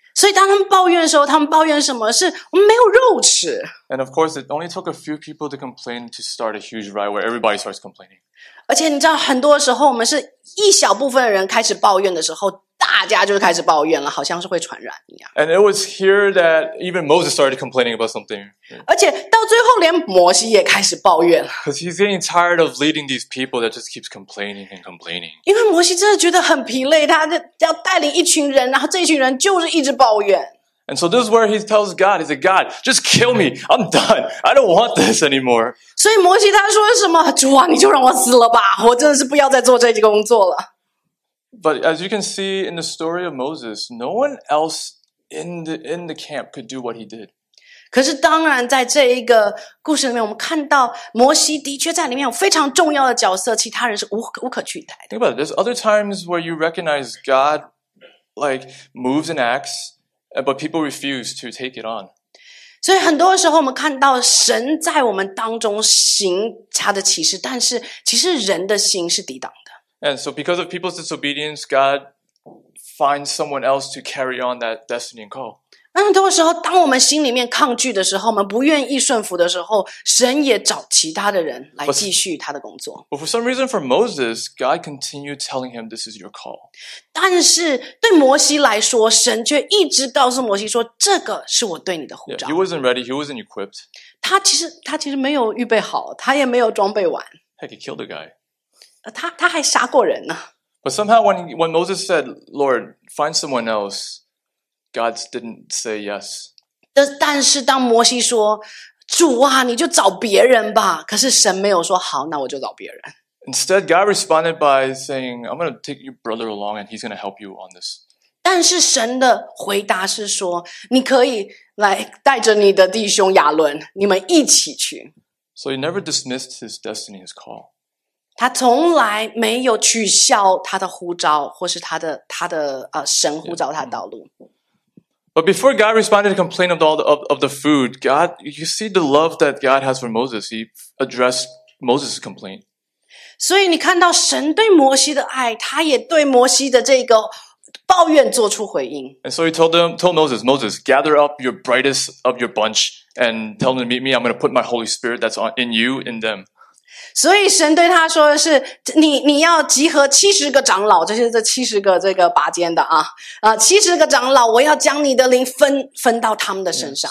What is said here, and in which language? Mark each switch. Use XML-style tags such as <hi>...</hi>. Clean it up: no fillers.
<zh>所以当他们抱怨的时候，他们抱怨什么？是我们没有肉吃。</zh> <en>And of course, it only took a few people to complain to start a huge riot where everybody starts complaining.</en> <zh>而且你知道，很多时候我们是一小部分的人开始抱怨的时候，大家就开始抱怨了，好像是会传染一样。</zh> <en>And it was here that even Moses started complaining about something.</en> <zh>而且到最后，连摩西也开始抱怨了。</zh> <en>Because he's getting tired of leading these people that just keeps complaining and complaining.</en> <zh>因为摩西真的觉得很疲累，他要带领一群人，然后这群人就是一直抱怨。</zh> <en>And so this is where he tells God, he said, God, just kill me. I'm done. I don't want this anymore.</en> <zh>所以摩西他说什么？主啊，你就让我死了吧！我真的是不要再做这些工作了。</zh> <en>But as you can see in the story of Moses, no one else in the camp could do what he did.</en> <zh>可是当然，在这一个故事里面，我们看到摩西的确在里面有非常重要的角色，其他人是无可取代的。</zh> <en>Think about it. There's other times where you recognize God, like moves and acts.But people refuse to take it on.</en> <zh>所以很多时候我们看到神在我们当中行他的启示，但是其实人的心是抵挡的。</zh> <en>And so because of people's disobedience, God finds someone else to carry on that destiny and call.</en> <zh>那很多时候当我们心里面抗拒的时候，我们不愿意顺服的时候，神也找其他的人来继续他的工作。</zh> <en>But for some reason for Moses, God continued telling him, this is your call.</en> <zh>但是对摩西来说，神却一直告诉摩西说，这个是我对你的呼召。</zh> <en>Yeah, he wasn't ready, he wasn't equipped.</en> <zh>他其实没有预备好，他也没有装备完。</zh> <en>Heck, he killed a guy.</en> <zh>他还杀过人呢。</zh> <en>But somehow when Moses said, Lord, find someone else, God didn't say yes.</en> <zh>但是当摩西说，主啊，你就找别人吧。可是神没有说，好，那我就找别人。</zh> <en>Instead, God responded by saying, I'm going to take your brother along and he's going to help you on this.</en> <zh>但是神的回答是说，你可以来带着你的弟兄亚伦，你们一起去。</zh> <en>So he never dismissed his destiny, his call.</en> <zh>他从来没有取消他的呼召，或是他的神呼召他的道路。</zh> <en>Yeah. But before God responded to complain of the food, God, you see the love that God has for Moses. He addressed Moses' complaint.</en> <zh>所以你看到神对摩西的爱，他也对摩西的这个抱怨做出回应。</zh> <en>And so he told Moses, Moses, gather up your brightest of your bunch and tell them to meet me. I'm going to put my Holy Spirit that's in you in them.</en> <zh>所以神对他说的是，你要集合七十个长老，就是这七十个这个拔尖的啊，七十个长老，我要将你的灵分到他们的身上。</zh>